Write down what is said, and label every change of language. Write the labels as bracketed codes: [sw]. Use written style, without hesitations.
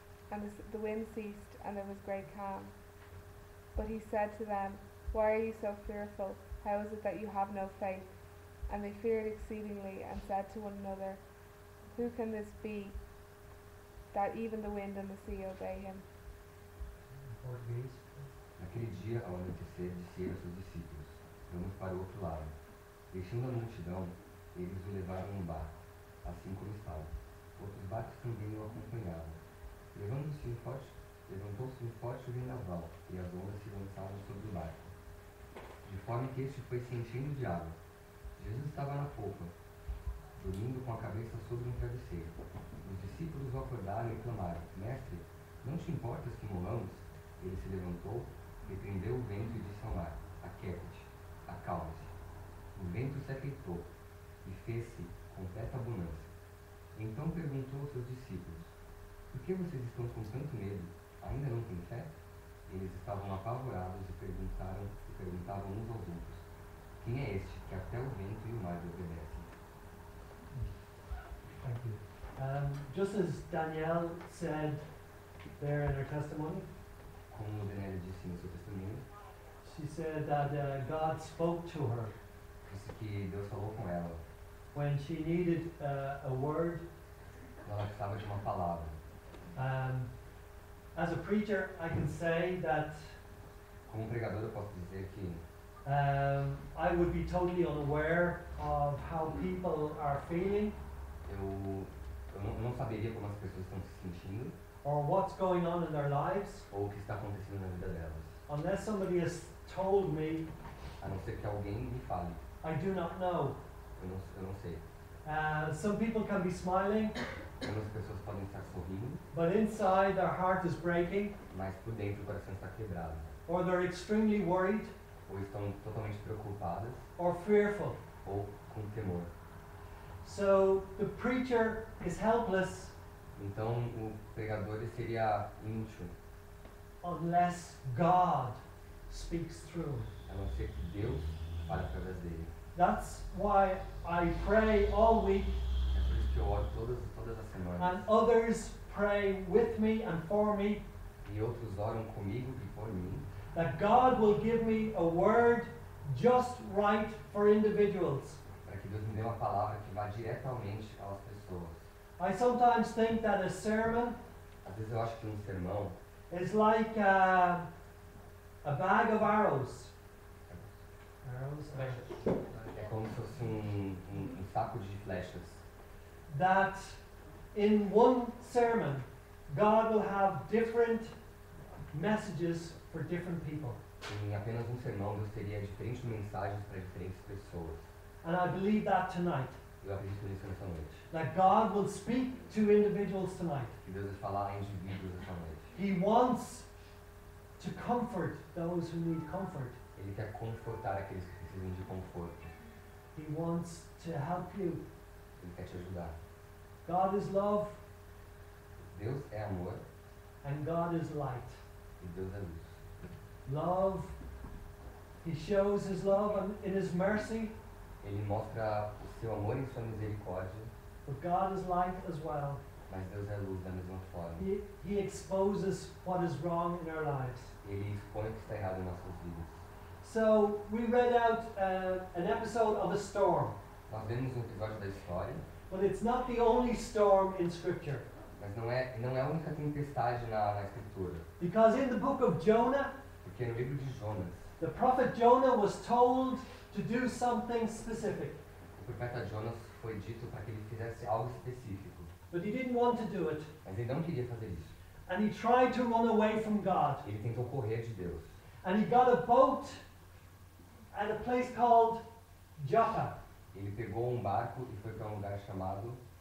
[en] And the wind ceased, and there was great calm. But he said to them, "Why are you so fearful? How is it that you have no faith?" And they feared exceedingly and said to one another, "Who can this be that even the wind and the sea obey him?" [pt] Naquele dia, ao anoitecer, disseram aos seus discípulos, "Vamos para o outro lado." Deixando a multidão, eles o levaram num barco, assim como estava. Outros barcos também o acompanhavam. Levantou-se um forte vendaval, e as ondas se lançavam sobre o barco, de forma que este foi se enchendo de água. Jesus estava na popa, dormindo com a cabeça sobre um travesseiro. Os discípulos o acordaram e clamaram, "Mestre, não te importas que morramos?" Ele se levantou, repreendeu o vento e disse ao mar, "Aquieta-te, acalma-se." O vento se aquietou e fez-se completa bonança. Então perguntou aos seus discípulos, "Por que vocês estão com tanto medo? Ainda não têm fé?" Eles estavam apavorados e perguntavam uns aos outros, "Quem é este que até o vento e o mar lhe obedecem?" [en] Thank you. Just as Danielle said there in her testimony, [pt] como Danielle disse no seu testemunho, [en] she said that God spoke to her. [pt] Disse que Deus falou com ela. [en] When she needed a word, [pt] ela precisava de uma palavra. [en] As a preacher, I can say that. [pt] Como pregador, eu posso dizer que. [en] I would be totally unaware of how people are feeling. [pt] Eu não saberia como as pessoas estão se sentindo. [en] Or what's going on in their lives. [pt] Ou o que está acontecendo na vida delas. [en] Unless somebody has told me. [pt] A não ser que alguém me fale. [en] I do not know. [pt] Eu não sei. [en] Some people can be smiling. [pt] Algumas pessoas podem estar sorrindo. [en] But inside their heart is breaking. [pt] Mas por dentro o coração está quebrado. [en] Or they're extremely worried. [pt] Ou estão totalmente preocupadas. [en] Or fearful. [pt] Ou com temor. [en] So the preacher is helpless. [pt] Então o pregador seria inútil. [en] Unless God speaks through. [pt] A não ser que Deus fale através dele. [en] That's why I pray all week. [pt] É por isso que eu oro todas as semanas. [en] And others pray with me and for me. [pt] E outros oram comigo e por mim. [en] That God will give me a word just right for individuals. [pt] Para que Deus me dê uma palavra que vá diretamente às pessoas. [en] I sometimes think that a sermon, [pt] às vezes eu acho que um sermão, [en] is like a bag of arrows. [pt] É como se fosse um saco de flechas. [en] That in one sermon, God will have different messages for different people. [pt] Em apenas um sermão, Deus teria diferentes mensagens para diferentes pessoas. [en] And I believe that tonight. [pt] Eu acredito nisso nessa noite. [en] That God will speak to individuals tonight. [pt] Que Deus vai falar a indivíduos nessa noite. [en] He wants to comfort those who need comfort. [pt] Ele quer confortar aqueles que precisam de conforto. [en] He wants to help you. [pt] Ele quer te ajudar. [en] God is love. [pt] Deus é amor. [en] And God is light. [pt] E Deus é luz. [en] Love. He shows his love and in his mercy. [pt] Ele mostra o seu amor e sua misericórdia. [en] But God is light as well. [pt] Mas Deus é luz da mesma forma. [en] He exposes what is wrong in our lives. [pt] Ele expõe o que está errado em nossas vidas. [en] So we read out an episode of a storm. [pt] Nós vemos um episódio da história. [en] But it's not the only storm in Scripture. [pt] Mas não é a única tempestade na Escritura. [en] Because in the book of Jonah. [pt] Porque no livro de Jonas. [en] The prophet Jonah was told to do something specific. [pt] O profeta Jonas foi dito para que ele fizesse algo específico. [en] But he didn't want to do it. [pt] Mas ele não queria fazer isso. [en] And he tried to run away from God. [pt] Ele tentou correr de Deus. [en] And he got a boat at a place called Joppa. [pt] Ele pegou um barco e foi para um lugar chamado.